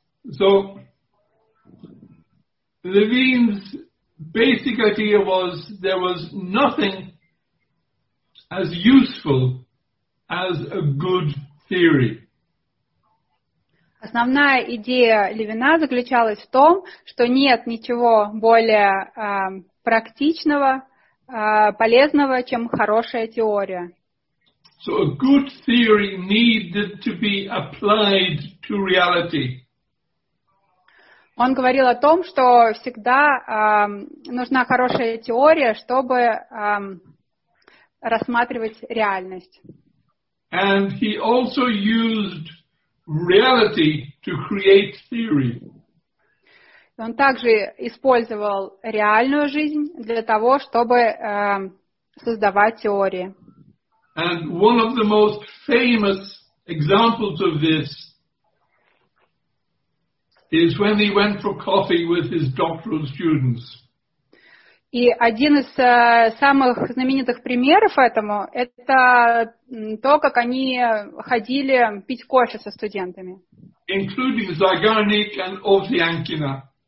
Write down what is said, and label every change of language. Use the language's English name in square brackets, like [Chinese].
[English] So, Levine's basic idea was there was nothing as useful as a good theory. [Russian] Основная идея Левина заключалась в том, что нет ничего более практичного, полезного, чем хорошая теория. [English] So a good theory needed to be applied to reality. [Russian] Он говорил о том, что всегда нужна хорошая теория, чтобы рассматривать реальность. [English] And he also used reality to create theory. [Russian] Он также использовал реальную жизнь для того, чтобы создавать теории. [English] And one of the most famous examples of this is when he went for coffee with his doctoral students. [Russian] И один из самых знаменитых примеров этому – это то, как они ходили пить кофе со студентами. [English] Including Zagarnik and Ovsyankina.